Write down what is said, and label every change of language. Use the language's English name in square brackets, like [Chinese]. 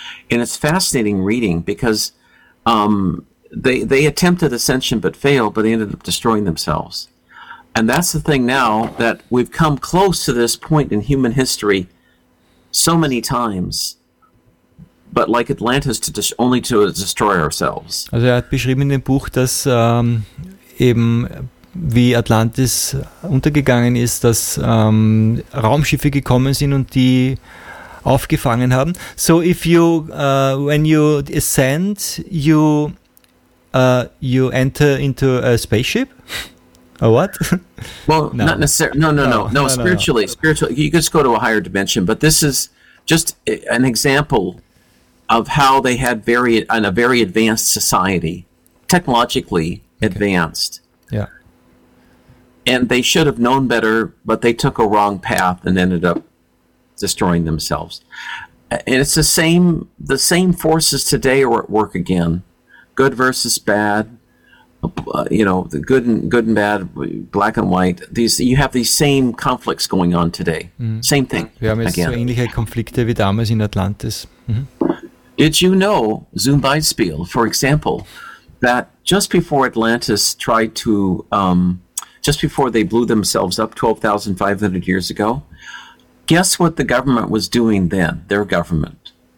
[English] And it's fascinating reading because they attempted ascension but failed, but they ended up destroying themselves. And that's the thing now, that we've come close to this point in human history so many times, but like Atlantis, only to destroy ourselves. [German] Also er hat beschrieben in dem Buch, dass eben wie Atlantis untergegangen ist, dass Raumschiffe gekommen sind und die aufgefangen haben. [English] So if you, when you ascend, you enter into a spaceship? Or what? Well, no. Not necessarily. No. Spiritually, you just go to a higher dimension, but this is just an example of how they had a very advanced society, technologically advanced. Yeah. And they should have known better, but they took a wrong path and ended up destroying themselves. And it's the same forces today are at work again, good versus bad, you know, the good and bad, black and white. You have these same conflicts going on today. Mm. Same thing. [German] Wir haben jetzt again. So ähnliche Konflikte wie damals in Atlantis. [English] Did you know, [German] Zum Beispiel, [English] for example, that just before Atlantis tried to, just before they blew themselves up 12,500 years ago, guess what the government was doing then, their government?